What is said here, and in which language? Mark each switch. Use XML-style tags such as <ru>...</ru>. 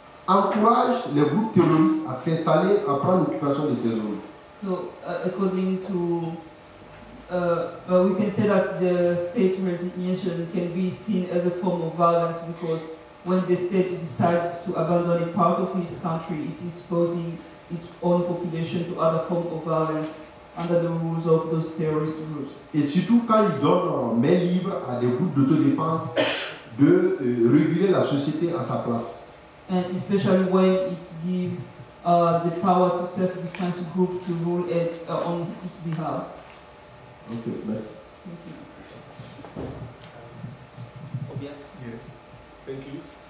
<fr>encourage les groupes terroristes à s'installer, à prendre l'occupation de ces zones.</fr> <en>So, according to, we can say that the state resignation can be seen as a form of violence because when the state decides to abandon a part of its country, it is exposing its own population to other forms of violence under the rules of those terrorist groups.</en> <fr>Et surtout quand ils donnent main libre à des groupes d'autodéfense de réguler la société à sa place.</fr> <en>And especially when it gives the power to self-defense group to rule it on its behalf.</en> <fr>Okay, merci.</fr> <en>Thank you. Obvious? Yes. Thank you.</en>